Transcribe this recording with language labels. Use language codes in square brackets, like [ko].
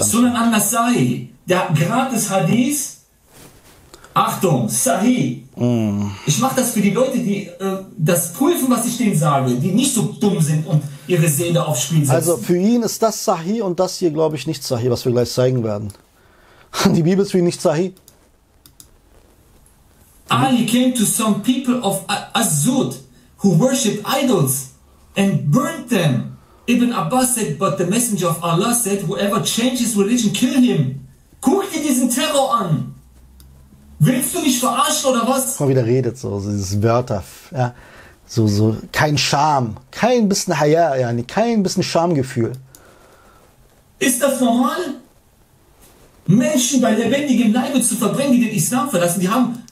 [de] anders. Sunan al-Nasai, der gratis Hadith. Achtung, Sahih. Ich mache das für die Leute, die das prüfen, was ich denen sage, die nicht so dumm sind und ihre Seele aufs Spiel setzen. Also für ihn ist das Sahih und das hier, glaube ich, nicht Sahih, was wir gleich zeigen werden. Die Bibel ist für ihn nicht Sahih. [en] Ali came to some people of Azud who worship idols and burnt them. Ibn Abbas said, but the messenger of Allah said, whoever changes religion, kill him. [de] Guck dir diesen Terror an. Willst du mich verarschen oder was? Guck mal, wie der redet, so dieses Wörter. Ja. So, kein Scham, kein bisschen Haya, ja, kein bisschen Schamgefühl. Ist das normal? Menschen bei lebendigem Leibe zu verbrennen, die den Islam verlassen, die haben...